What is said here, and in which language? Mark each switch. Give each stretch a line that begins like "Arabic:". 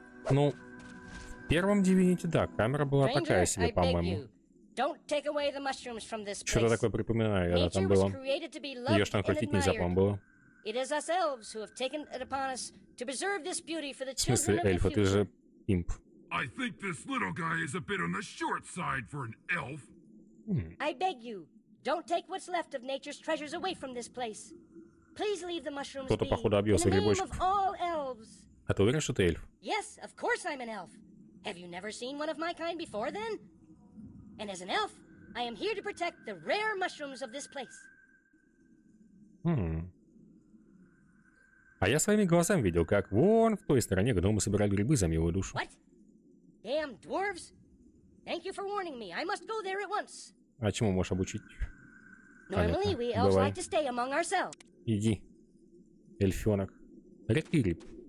Russian: Ну, в первом Divinity, да, камера была такая себе, по-моему. Что-то такое припоминаю, когда там было. Ее ж там крутить нельзя, по-моему, было.
English: It is ourselves who have taken it upon us to preserve this beauty for the children of the future.
Russian: В смысле, эльф, ты же имп.
English: I think this little guy is a bit on the short side for an elf. I beg you, don't take what's left of nature's treasures away from this place. Please leave the mushrooms.
Russian: Кто-то походу объелся грибочек. A ты уверен, что ты эльф?
English: Yes, of course I'm an elf. Have you never seen one of my kind before then? And as an elf, I am here to protect the rare mushrooms of this place.
Russian: А я своими глазами видел, как вон в той стороне гномы собирали грибы за милую душу.
English: What? Damn dwarves! Thank you for warning me. I must go there at once.
Russian: А чему можешь обучить?
English: Normally, we elves like to stay among ourselves.
Russian: Иди, эльфёнок. Редкий гриб.